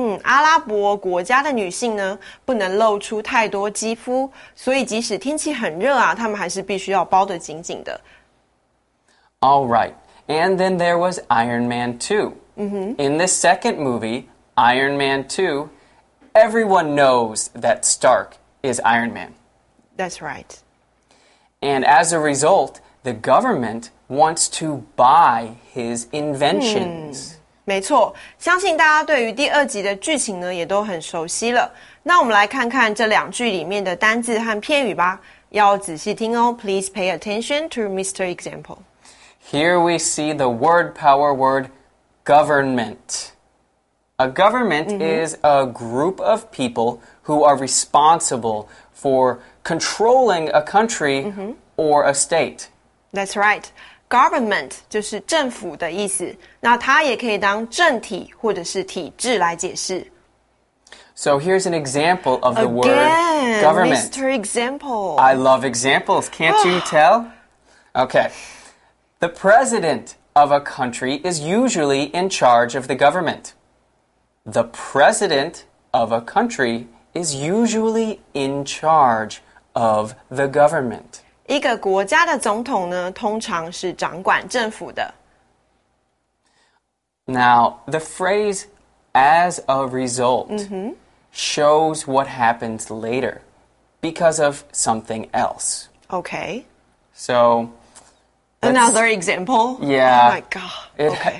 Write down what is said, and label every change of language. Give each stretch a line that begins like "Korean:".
Chinese: 阿拉伯国家的女性呢不能露出太多肌肤，所以即使天气很热啊，她们还是必须要包得紧紧的。
English: All right. And then there was Iron Man 2. In the second movie, Iron Man 2, everyone knows that Stark is Iron Man. That's right. And as a result, the government wants to buy his inventions.
Chinese: 没错，相信大家对于第二集的剧情呢也都很熟悉了。那我们来看看这两句里面的单字和片语吧，要仔细听哦。
English: Please pay attention to Mr. Example. Here we see the word power word government. A government、is a group of people who are responsible for controlling a country、or a state. That's right.
Chinese: Government 就是政府的意思，那它也可以当政体或者是体制来解释。
English: So here's an example of the Again, word government. Mr. Example. I love examples, can't you tell? Okay. The president of a country is usually in charge of the government. The president of a country is usually in charge of the government.
Chinese: 一个国家的总统呢，通常是掌管政府的。
English: Now, the phrase as a result、shows what happens later because of something else. Okay. So, another example? Yeah. Oh my God.